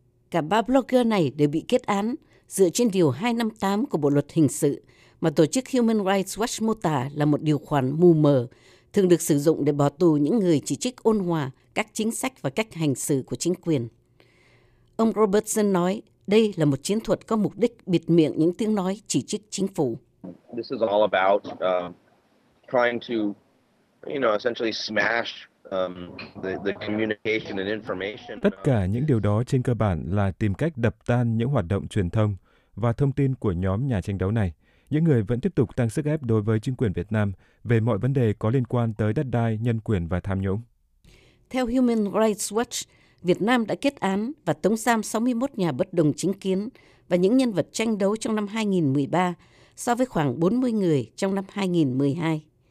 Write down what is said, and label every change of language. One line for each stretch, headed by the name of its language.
Vietnamese: Cả ba blogger này đều bị kết án dựa trên điều 258 của Bộ Luật Hình sự mà tổ chức Human Rights Watch mô tả là một điều khoản mù mờ thường được sử dụng để bỏ tù những người chỉ trích ôn hòa các chính sách và cách hành xử của chính quyền. Ông Robertson nói: Đây là một chiến thuật có mục đích bịt miệng những tiếng nói chỉ trích chính phủ.
English: This is all about trying to, you know, essentially smash the communication and information.
Vietnamese: Tất cả những điều đó trên cơ bản là tìm cách đập tan những hoạt động truyền thông và thông tin của nhóm nhà tranh đấu này. Những người vẫn tiếp tục tăng sức ép đối với chính quyền Việt Nam về mọi vấn đề có liên quan tới đất đai, nhân quyền và tham nhũng. Theo Human Rights Watch, Việt Nam đã kết án và tống giam 61 nhà bất đồng chính kiến và những nhân vật tranh đấu trong năm 2013 so với khoảng 40 người trong năm 2012.